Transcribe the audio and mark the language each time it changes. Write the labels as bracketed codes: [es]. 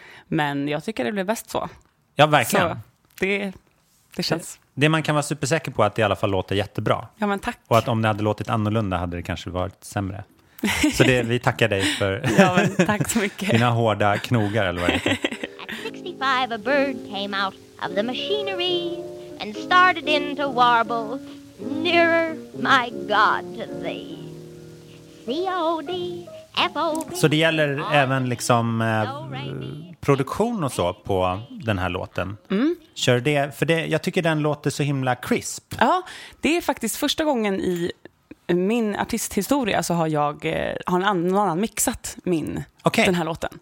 [sv] Men jag tycker det blir bäst så. Ja, verkligen. Så det känns... Det man kan vara supersäker på är att det i alla fall låter jättebra. Ja, men tack. Och att om det hade låtit annorlunda hade det kanske varit sämre. Så det, vi tackar dig för tack så mycket. Dina hårda knogar eller vad det är. [en] A bird came out of the machinery and started in to warble nearer my God to thee. C-O-D, F-O-B. [sv] Så det gäller även liksom produktion och så på den här låten. Mm. Kör det, för det, jag tycker den låter så himla crisp. Ja, det är faktiskt första gången i min artisthistoria så har jag någon annan mixat min den här låten.